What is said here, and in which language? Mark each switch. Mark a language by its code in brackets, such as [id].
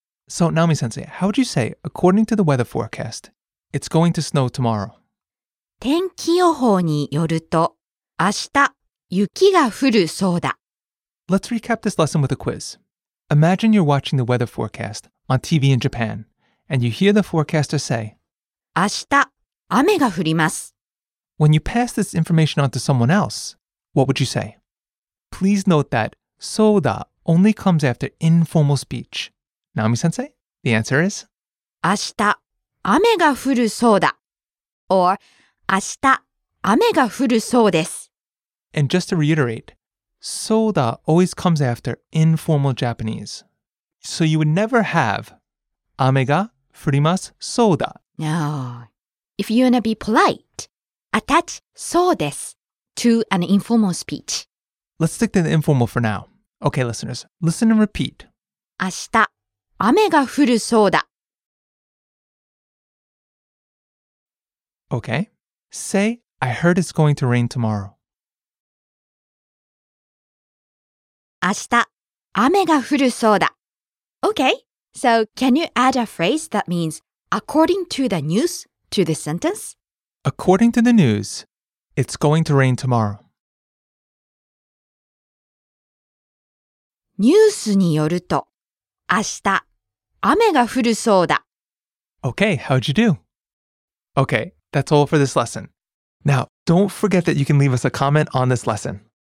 [en] So, Naomi-sensei, how would you say according to the weather forecast, it's going to snow tomorrow? [ja] 天気予報によると、明日、雪が降るそうだ。 [en] Let's recap this lesson with a quiz. Imagine you're watching the weather forecast on TV in Japan, and you hear the forecaster say, [ja] 明日、雨が降ります。 [en] When you pass this information on to someone else, what would you say? Please note that, そうだ only comes after informal speech. Naomi-sensei, the answer is, [ja] 明日、雨が降るそうだ。 Or,明日、雨が降るそうです。 [en] And just to reiterate, そうだ always comes after informal Japanese. So you would never have [ja] 雨が降りますそうだ。 [en] No. If you wanna be polite, attach そうです to an informal speech. Let's stick to the informal for now. Okay, listeners, listen and repeat. [ja] 明日、雨が降るそうだ。 [en] Okay. Say, I heard it's going to rain tomorrow. [ja] 明日、雨が降るそうだ。 [en] Okay, so can you add a phrase that means according to the news to this sentence? According to the news, it's going to rain tomorrow. [ja] ニュースによると、明日、雨が降るそうだ。 [en] Okay, how'd you do? Okay, that's all for this lesson. Now, don't forget that you can leave us a comment on this lesson.